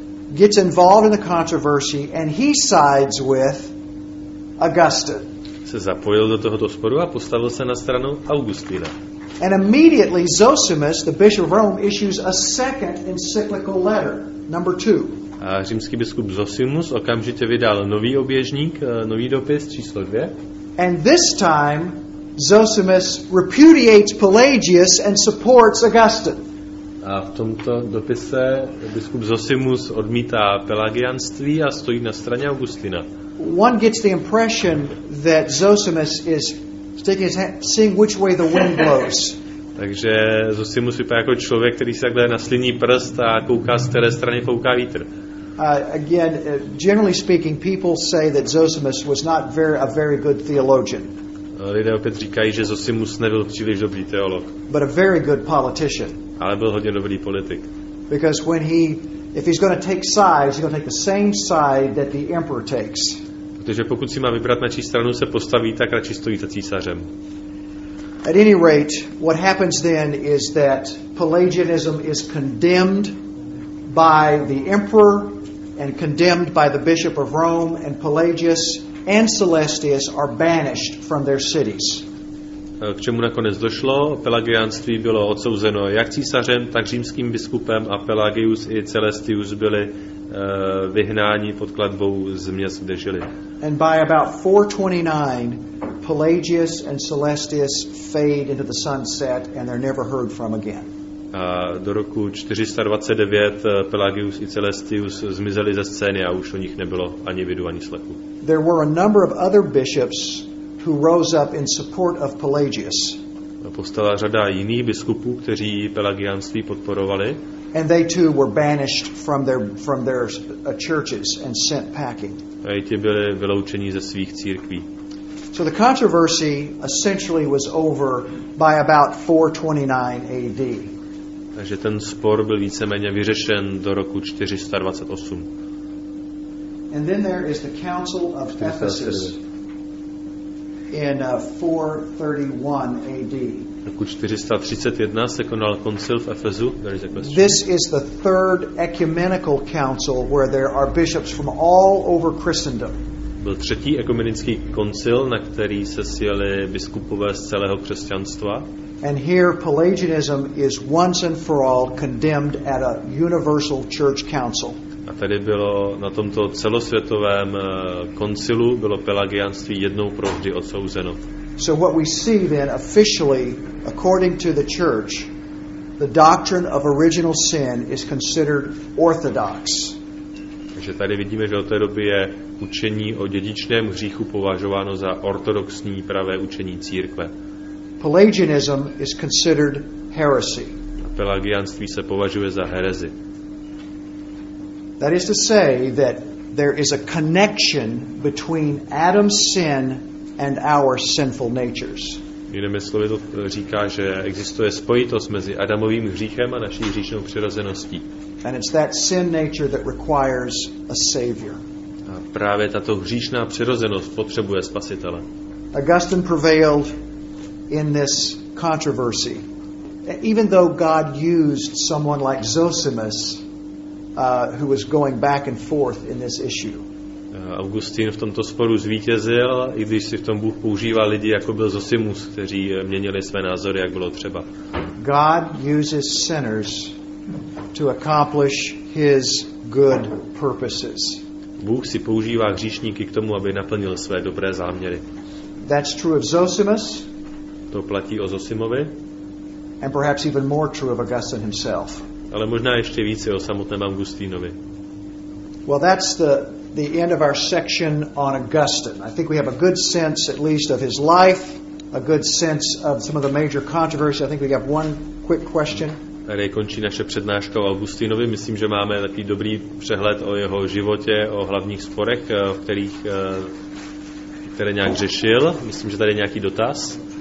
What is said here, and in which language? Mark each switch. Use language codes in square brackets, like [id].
[en] Gets involved in the controversy and he sides with Augustine. [cs] Se zapojil do tohoto sporu a postavil se na stranu Augustina. [en] And immediately Zosimus, the bishop of Rome, issues a second encyclical letter, number 2. [cs] A římský biskup Zosimus okamžitě vydal nový oběžník, nový dopis číslo 2. [en] And this time Zosimus repudiates Pelagius and supports Augustine. [cs] A v tomto dopise biskup Zosimus odmítá pelagianství a stojí na straně Augustina. [en] One gets the impression that Zosimus is sticking his hand, seeing which way the wind blows. [cs] Takže Zosimus vypadá jako člověk, který se takhle nasliní prst a kouká, z které strany fouká vítr. [en] Again, generally speaking, people say that Zosimus was not a very good theologian. [cs] Lidé opět říkají, že Zosimus nebyl příliš dobrý teolog. [en] But a very good politician. [cs] Ale byl hodně dobrý politik. [en] Because when he, if he's going to take sides, he's going to take the same side that the emperor takes. [cs] Protože pokud si má vybrat, na čí stranu se postaví, tak radši stojí za císařem. [en] At any rate, what happens then is that Pelagianism is condemned by the emperor and condemned by the bishop of Rome, and Pelagius and Celestius are banished from their cities. [cs] K čemu nakonec došlo? Pelagianství bylo odsouzeno jak císařem, tak římským biskupem a Pelagius i Celestius byli vyhnání pod kladbou z měst, kde žili. [en] And by about 429, Pelagius and Celestius fade into the sunset and they're never heard from again. [cs] A do roku 429 Pelagius i Celestius zmizeli ze scény a už o nich nebylo ani vidu, ani slechu. [en] There were a number of other bishops who rose up in support of Pelagius. [cs] Postala řada jiných biskupů, kteří pelagianství podporovali. [en] And they too were banished from their churches and sent packing. [cs] A ti byli vyloučeni ze svých církví. [en] So the controversy essentially was over by about 429 AD. [cs] Takže ten spor byl víceméně vyřešen do roku 428. [en] And then there is the Council of Ephesus in 431 AD. [cs] Roku 431 se konal koncil v Efezu. [en] There is a question. This is the third ecumenical council where there are bishops from all over Christendom. [cs] Byl třetí ekumenický koncil, na který se sjeli biskupové z celého křesťanstva. [en] And here Pelagianism is once and for all condemned at a universal church council. [cs] A tady bylo na tomto celosvětovém koncilu bylo pelagianství jednou provždy odsouzeno. [en] So what we see then officially according to the church, the doctrine of original sin is considered orthodox. [cs] Takže tady vidíme, že od té doby je učení o dědičném hříchu považováno za ortodoxní pravé učení církve. [en] Pelagianism is considered heresy. [cs] A pelagianství se považuje za herezi. [en] That is to say that there is a connection between Adam's sin and our sinful natures. [cs] Jinými slovy to říká, že existuje spojitost mezi Adamovým hříchem a naší hříšnou přirozeností. [en] And it's that sin nature that requires a savior. [cs] A právě tato hříšná přirozenost potřebuje spasitele. [en] Augustine prevailed in this controversy. Even though God used someone like Zosimus, who was going back and forth in this issue. [cs] Augustin v tomto sporu zvítězil, i když si v tom Bůh používá lidi, jako byl Zosimus, kteří měnili své názory, jak bylo třeba. [en] God uses sinners to accomplish his good purposes. [cs] Bůh si používá hříšníky k tomu, aby naplnil své dobré záměry. [en] That's true of Zosimus. [cs] To platí o Zosimovi. [en] And perhaps even more true of Augustine himself. [cs] Ale možná ještě více o samotném Augustinovi. [en] Well, that's the end of our section on Augustine. I think we have a good sense at least of his life, a good sense of some of the major controversy. I think we have one quick question. [cs] Tady končí naše přednáška o Augustinovi. Myslím, že máme takový dobrý přehled o jeho životě, o hlavních sporech, v kterých které nějak řešil. Myslím, že tady je nějaký dotaz.